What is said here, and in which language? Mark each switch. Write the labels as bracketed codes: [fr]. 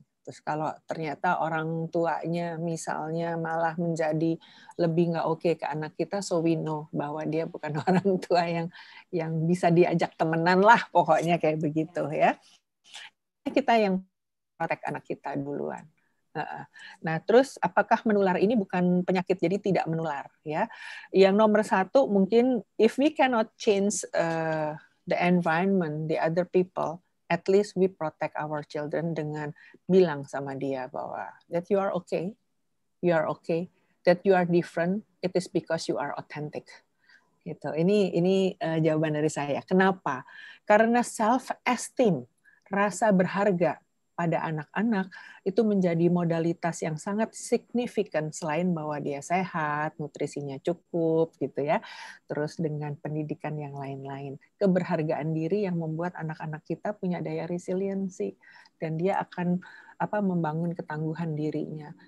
[id] Terus kalau ternyata orang tuanya misalnya malah menjadi lebih nggak oke ke anak kita, [en] so we know [id] bahwa dia bukan orang tua yang bisa diajak temenan lah, pokoknya kayak begitu ya. Kita yang protek anak kita duluan. Nah, terus apakah menular ini bukan penyakit, jadi tidak menular ya? Yang nomor satu mungkin [en] if we cannot change the environment, the other people, at least we protect our children [id] dengan bilang sama dia bahwa [en] that you are okay, that you are different, it is because you are authentic. [id] Gitu. Ini jawaban dari saya. Kenapa? Karena self-esteem, rasa berharga pada anak-anak itu menjadi modalitas yang sangat signifikan selain bahwa dia sehat, nutrisinya cukup gitu ya. Terus dengan pendidikan yang lain-lain, keberhargaan diri yang membuat anak-anak kita punya daya resiliensi dan dia akan apa membangun ketangguhan dirinya.